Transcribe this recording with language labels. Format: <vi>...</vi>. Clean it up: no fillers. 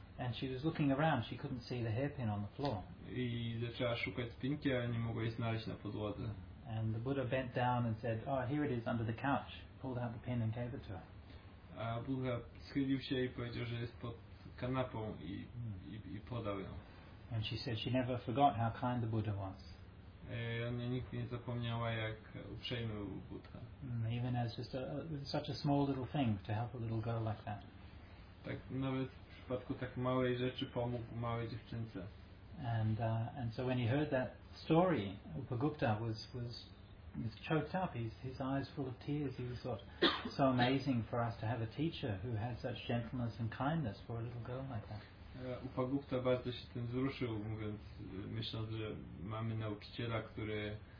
<en>And she was looking around, she couldn't see the hairpin on the floor.</en> <pl>I zaczęła szukać spinki, ale nie mogła jej znaleźć na podłodze.</pl> <en>And the Buddha bent down and said, oh, here it is under the couch. Pulled out the pin and gave it to her.</en> <pl>A Buddha schylił się i powiedział, że jest pod kanapą i podał ją.</pl> <en>And she said she never forgot how kind the Buddha was.</en> <pl>Ona nigdy nie zapomniała, jak uprzejmy był Buddha.</pl> <en>Even as just such a small little thing to help a little girl like that.</en> <pl>Tak, nawet w przypadku tak małej rzeczy pomógł małej dziewczynce.</pl> <en>And so when he heard that story, Bhagupta was choked up. His eyes full of tears. He was thought, so amazing for us to have a teacher who has such gentleness and kindness for a little girl like that.</en> <pl>Upagupta bardzo się tym wzruszył, mówiąc, myśląc, że mamy nauczyciela, który</pl>